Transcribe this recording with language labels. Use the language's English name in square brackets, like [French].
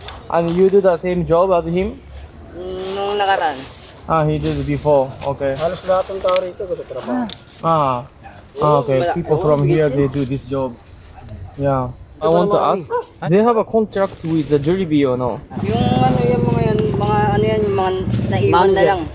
[English] And you do the same job as him? [Filipino] No, nakaraan. [English] Ah, he did it before. Okay. [Filipino] Halos lahat ng tao rito gusto trabaho. [English] Okay. People from here, they do this job. Yeah. I want to ask, they have a contract with the Jollibee or no? [Filipino] Yung ano yung mga yan, mga ano yan, mga naiwan na lang.